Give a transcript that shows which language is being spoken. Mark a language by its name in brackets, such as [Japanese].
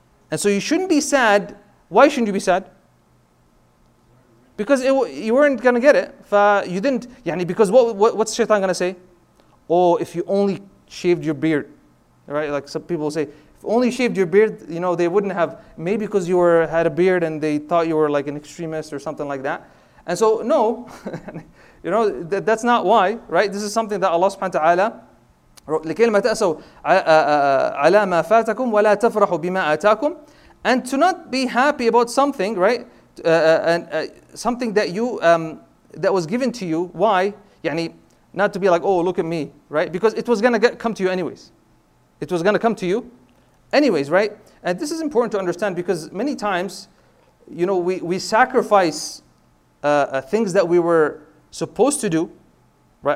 [English] And so you shouldn't be sad. Why shouldn't you be sad? Because you weren't going to get it. You didn't. Yani, because what's shaitan going to say? Oh, if you only shaved your beard. Right? Like some people say, if only shaved your beard, you know, they wouldn't have. Maybe because you had a beard and they thought you were like an extremist or something like that. And so, no. You know, that's not why. Right? This is something that Allah subhanahu wa ta'ala, [Arabic] لِكَيْلْ مَا تَأْسَوْ عَلَى مَا فَاتَكُمْ وَلَا تَفْرَحُوا بِمَا آتَاكُمْ. [English] And to not be happy about something, right? Something that you that was given to you. Why? يعني, not to be like, oh, look at me, right? Because it was going to come to you anyways. It was going to come to you anyways, right? And this is important to understand because many times, you know, we sacrifice things that we were supposed to do, right?